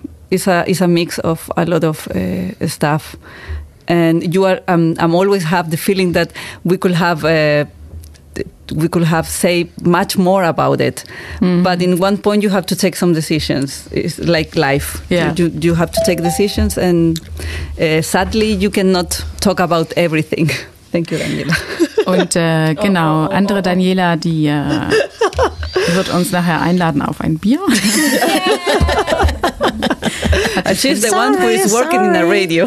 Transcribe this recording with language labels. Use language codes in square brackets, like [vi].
[en] It's a mix of a lot of stuff. And you are, I'm always have the feeling that we could have say much more about it. Mm-hmm. But in one point you have to take some decisions. It's like life. Yeah. You have to take decisions, and sadly you cannot talk about everything. Thank you, Daniela. [de] Und genau, andere Daniela, die wird uns nachher einladen auf ein Bier. [en] And she's the one who is working in the radio.